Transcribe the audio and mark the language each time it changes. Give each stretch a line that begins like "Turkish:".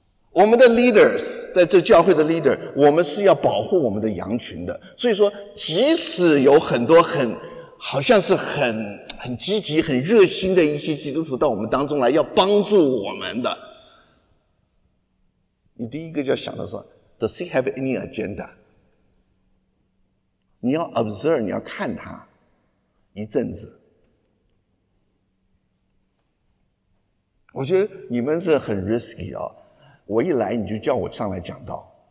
Chinese: 我们的 leaders， 在这教会的 leader， 我们是要保护我们的羊群的。所以说即使有很多很好像是很积极很热心的一些基督徒到我们当中来要帮助我们的，你第一个就要想到说
English: Does he have any agenda?
Chinese: 你要 observe, 你要看他一阵子。我觉得你们是很 risky 哦，我一来你就叫我上来讲道。